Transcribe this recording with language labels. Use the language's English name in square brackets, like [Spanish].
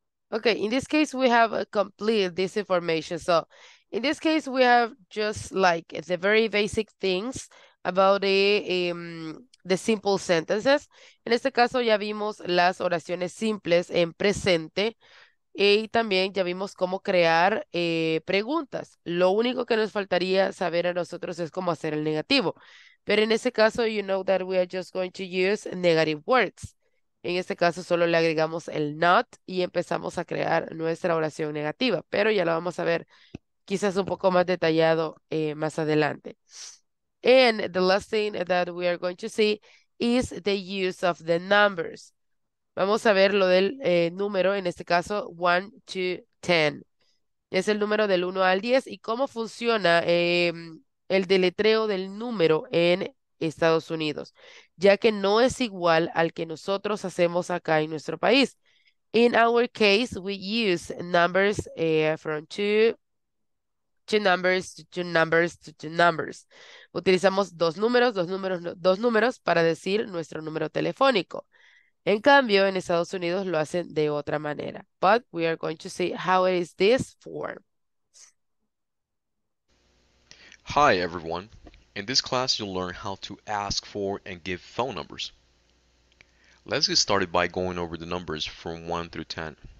[English] Okay, in this case, we have complete this information. So in this case, we have just like the very basic things about the simple sentences. [Spanish] En este caso, ya vimos las oraciones simples en presente y también ya vimos cómo crear preguntas. Lo único que nos faltaría saber a nosotros es cómo hacer el negativo. Pero en este caso, [English] you know that we are just going to use negative words. [Spanish] En este caso, solo le agregamos el not y empezamos a crear nuestra oración negativa. Pero ya lo vamos a ver quizás un poco más detallado más adelante. [English] And the last thing that we are going to see is the use of the numbers. [Spanish] Vamos a ver lo del número, en este caso, 1 to 10. Es el número del 1 al 10 y cómo funciona el deletreo del número en Estados Unidos, ya que no es igual al que nosotros hacemos acá en nuestro país. [English] In our case, we use numbers from two numbers. [Spanish] Utilizamos dos números para decir nuestro número telefónico. En cambio, en Estados Unidos lo hacen de otra manera. [English] But we are going to see how it is this form. Hi, everyone. In this class, you'll learn how to ask for and give phone numbers. Let's get started by going over the numbers from 1 through 10.